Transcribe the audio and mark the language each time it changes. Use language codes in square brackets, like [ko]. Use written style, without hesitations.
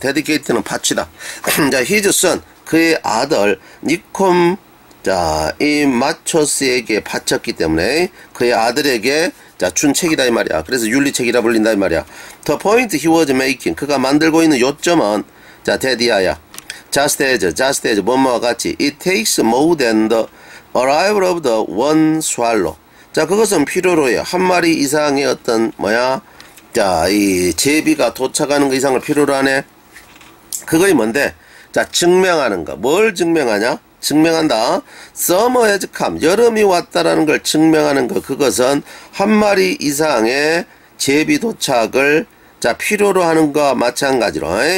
[ko] dedicated는 바치다. 자, [en] his son, [ko] 그의 아들, 니콘, 자, 이 마초스에게 바쳤기 때문에, 그의 아들에게, 자, 준 책이다. 이 말이야. 그래서 윤리책이라 불린다. 이 말이야. [en] The point he was making. [ko] 그가 만들고 있는 요점은, 자, 데디아야. [en] just as, [ko] 뭐뭐와 같이. [en] It takes more than the arrival of the one swallow. [ko] 자, 그것은 필요로 해. 한 마리 이상의 어떤, 뭐야? 자, 이 제비가 도착하는 것 이상을 필요로 하네. 그거이 뭔데? 자, 증명하는 거. 뭘 증명하냐? 증명한다. [en] Summer has come. [ko] 여름이 왔다라는 걸 증명하는 거. 그것은 한 마리 이상의 제비 도착을 자 필요로 하는 거와 마찬가지로.